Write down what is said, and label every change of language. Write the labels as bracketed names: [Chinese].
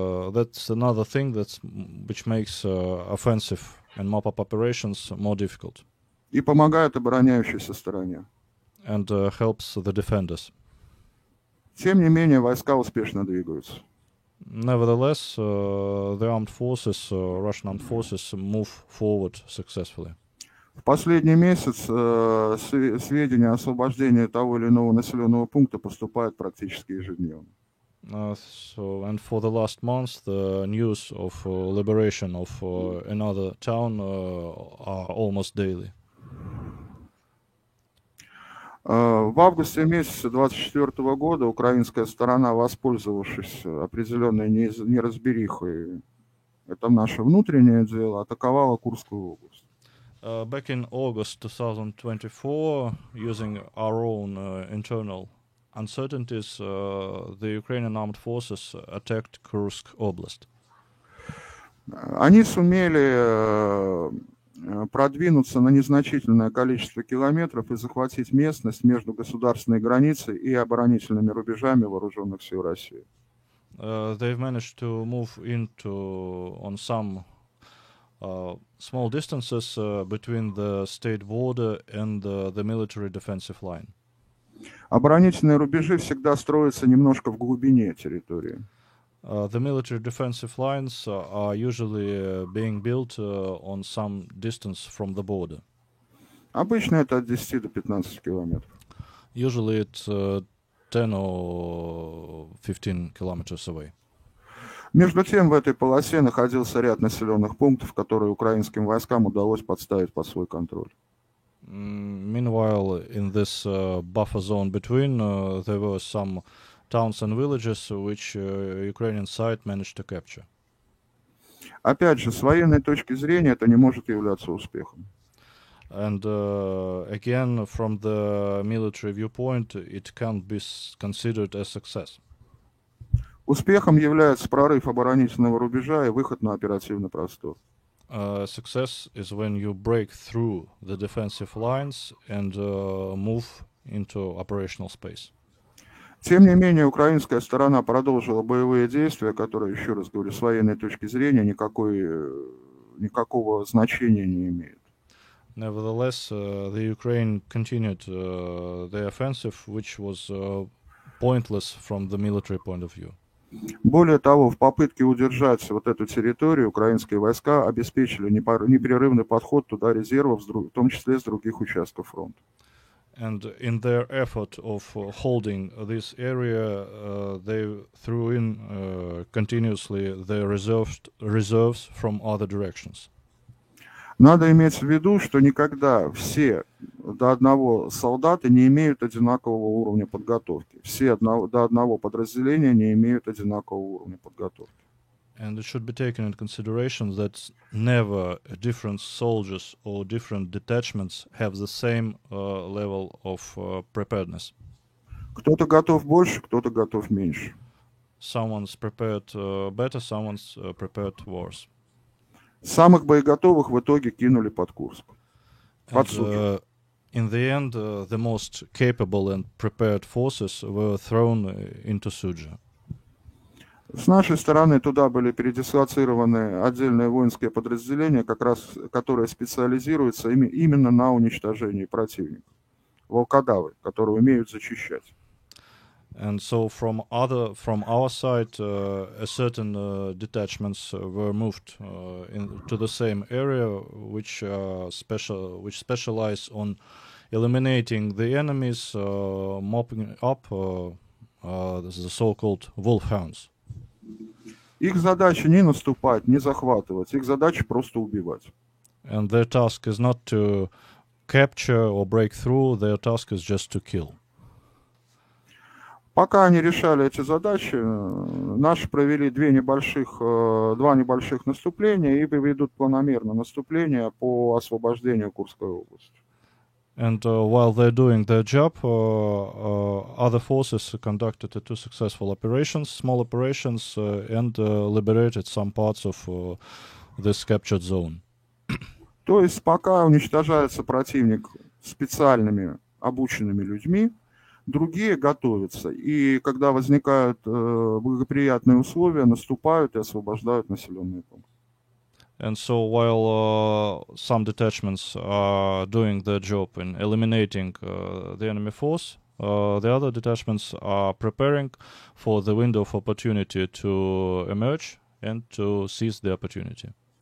[English] That's another thing which makes offensive and mop-up operations more difficult. [Russian] И помогает обороняющейся стороне. [English] And helps the defenders. [Russian] Тем не менее, войска успешно двигаются. [English] Nevertheless, the armed forces, Russian armed forces, move forward successfully. [Russian] В последний месяц сведения о освобождении того или иного населенного пункта поступают практически ежедневно. [English] And for the last month, the news of liberation of another town are almost daily. [Russian] В августе месяце 24 года украинская сторона, воспользовавшись определенной неразберихой, это наше внутреннее дело, атаковала Курскую область. [English] Back in August 2024, using our own internal uncertainties, the Ukrainian armed forces attacked Kursk Oblast. [Russian] Они сумели продвинуться на незначительное количество километров и захватить местность между государственной границей и оборонительными рубежами вооруженных сил России. [English] They've managed to move into on some small distances between the state border and the military defensive line. [Russian] Оборонительные рубежи всегда строятся немножко в глубине территории. [English] The military defensive lines are usually being built on some distance from the border. [Russian] Обычно это от 10 до 15 километров. [English] Usually it's 10 or 15 kilometers away. [Russian] Между тем, в этой полосе находился ряд населенных пунктов, которые украинским войскам удалось подставить под свой контроль. [English] Meanwhile, in this buffer zone between, there were some towns and villages which Ukrainian side managed to capture. [Russian] Опять же, с военной точки зрения это не может являться успехом. [English] And again, from the military viewpoint, it can't be considered a success. [Russian] Успехом является прорыв оборонительного рубежа и выход на оперативный простор. [English] Success is when you break through the defensive lines and move into operational space. [Russian] Тем не менее, украинская сторона продолжила боевые действия, которые, еще раз говорю, с военной точки зрения никакого значения не имеют. [English] Nevertheless, the Ukraine continued the offensive, which was pointless from the military point of view. [Russian] Более того, в попытке удержать вот эту территорию, украинские войска обеспечили непрерывный подход туда резервов, в том числе с других участков фронта. [English] And in their effort of holding this area, they threw in continuously their reserves from other directions. [Russian] Надо иметь в виду, что никогда все до одного солдата не имеют одинакового уровня подготовки. Все до одного подразделения не имеют одинакового уровня подготовки. [English] And it should be taken into consideration that never different soldiers or different detachments have the same level of preparedness. [Russian] Кто-то готов больше, кто-то готов меньше. [English] Someone's prepared better, someone's prepared worse. [Russian] Самых боеготовых в итоге кинули под Курск. [English] In the end, the most capable and prepared forces were thrown into Suja. [Russian] С нашей стороны туда были передислоцированы отдельные воинские подразделения, как раз которые специализируются именно на уничтожении противника. Волкодавы, которые умеют зачищать. [English] And so from our side, a certain detachments were moved to the same area, which specialize on eliminating the enemies, mopping up the so-called wolfhounds. [Russian] Их задача не наступать, не захватывать. Их задача просто убивать. [English] And their task is not to capture or break through. Their task is just to kill. [Russian] Пока они решали эти задачи, наши провели два небольших наступления и ведут планомерное наступление по освобождению Курской области. [English] And while they're doing their job, other forces conducted two successful operations, small operations, and liberated some parts of this captured zone. [Russian] То есть пока уничтожается противник специальными обученными людьми, другие готовятся, и когда возникают благоприятные условия, наступают и освобождают населенные пункты. [English] And so while some detachments are doing their job in eliminating the enemy force, the other detachments are preparing for the window of opportunity to emerge and to seize the opportunity.